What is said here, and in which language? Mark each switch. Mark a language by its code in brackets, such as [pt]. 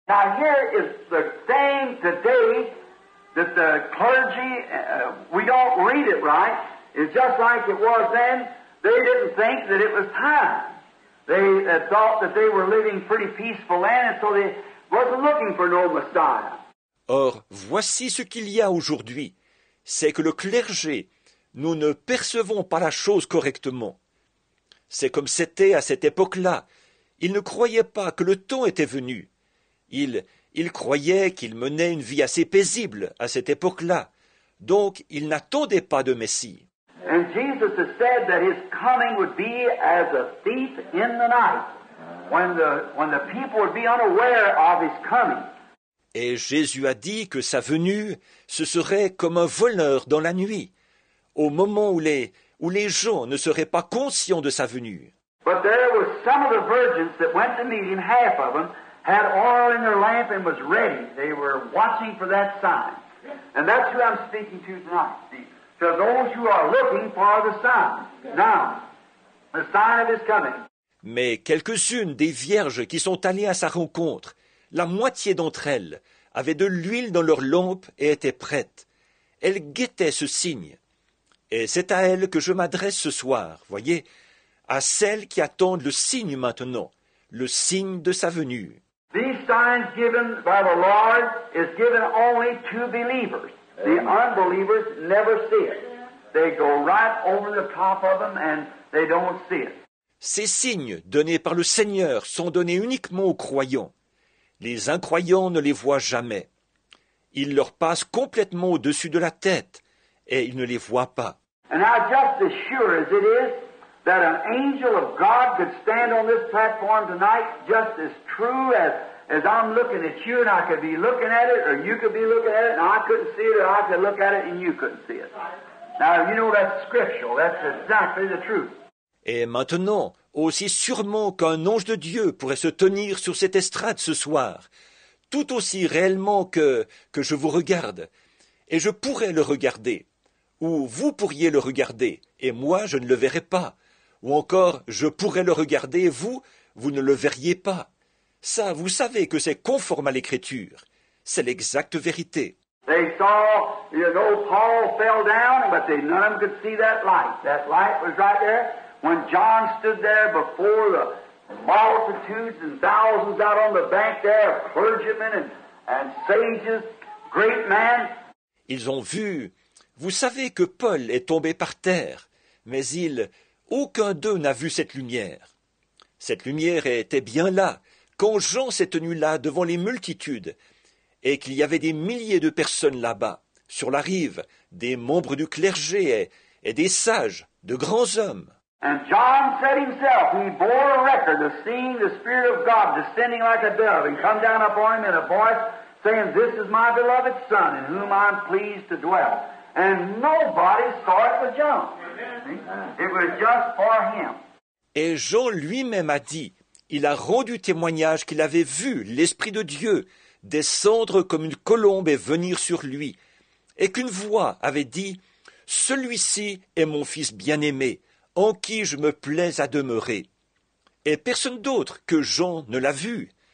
[en] Now, here is the thing today. That the clergy, we don't read it right. It's just like it was then. They didn't think that it was time. They thought that they were living pretty peaceful land, and so they wasn't looking for no Messiah. [fr] Or, voici ce qu'il y a aujourd'hui. C'est que le clergé, nous ne percevons pas la chose correctement. C'est comme c'était à cette époque-là. Ils ne croyaient pas que le temps était venu. Ils croyaient qu'ils menaient une vie assez paisible à cette époque-là. Donc, ils n'attendaient pas de Messie. [en] And Jesus has said that his coming would be as a thief in the night, when the people would be unaware of his coming. [fr] Et Jésus a dit que sa venue, ce serait comme un voleur dans la nuit, au moment où les gens ne seraient pas conscients de sa venue. [en] But there were some of the virgins that went to meet him, half of them, had oil in their lamp and was ready. They were watching for that sign. And that's who I'm speaking to tonight, to those who are looking for the sign. Now, the sign of his coming. [fr] Mais quelques-unes des vierges qui sont allées à sa rencontre, la moitié d'entre elles, avaient de l'huile dans leur lampe et étaient prêtes. Elles guettaient ce signe. Et c'est à elles que je m'adresse ce soir, voyez, à celles qui attendent le signe maintenant. Le signe de sa venue. [en] These signs given by the Lord is given only to believers. The unbelievers never see it. They go right over the top of them and they don't see it. [fr] Ces signes donnés par le Seigneur sont donnés uniquement aux croyants. Les incroyants ne les voient jamais. Ils leur passent complètement au-dessus de la tête et ils ne les voient pas. [en] And now, just as sure as it is that an angel of God could stand on this platform tonight, just as true as I'm looking at you, and I could be looking at it, or you could be looking at it, and I couldn't see it, or I could look at it, and you couldn't see it. Now, you know that's scriptural. That's exactly the truth. [fr] Et maintenant, aussi sûrement qu'un ange de Dieu pourrait se tenir sur cette estrade ce soir, tout aussi réellement que je vous regarde, et je pourrais le regarder, ou vous pourriez le regarder, et moi, je ne le verrai pas. Ou encore, je pourrais le regarder, et vous ne le verriez pas. Ça, vous savez que c'est conforme à l'Écriture. C'est l'exacte vérité. [en] They saw, you know, Paul fell down, but none of them could see that light. That light was right there. When John stood there before the multitudes and thousands out on the bank there, clergymen and sages, great men. [fr] Ils ont vu. Vous savez que Paul est tombé par terre, mais aucun d'eux n'a vu cette lumière. Cette lumière était bien là, quand Jean s'est tenu là devant les multitudes, et qu'il y avait des milliers de personnes là-bas, sur la rive, des membres du clergé et des sages, de grands hommes. [en] And John said himself, he bore a record of seeing the Spirit of God descending like a dove and come down upon him in a voice saying, "This is my beloved Son in whom I'm pleased to dwell." And nobody saw it but John. It was just for him. [fr] Et Jean lui-même a dit, il a rendu témoignage qu'il avait vu l'Esprit de Dieu descendre comme une colombe et venir sur lui, et qu'une voix avait dit, « Celui-ci est mon Fils bien-aimé, en qui je me plais à demeurer. » Et personne d'autre que Jean ne l'a vu.